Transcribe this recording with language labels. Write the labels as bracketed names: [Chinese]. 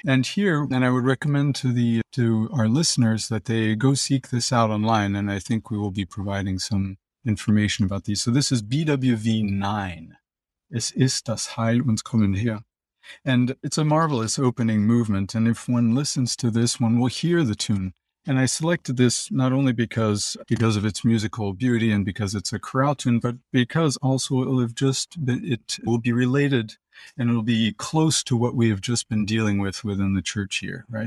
[English] And here, and I would recommend to our listeners that they go seek this out online, and I think we will be providing some information about these. So this is BWV 9. [German] Es ist das Heil uns kommen her. [English] And it's a marvelous opening movement. And if one listens to this, one will hear the tune. And I selected this not only because of its musical beauty and because it's a chorale tune, but because also it will be related and it'll be close to what we have just been dealing with within the church here, right?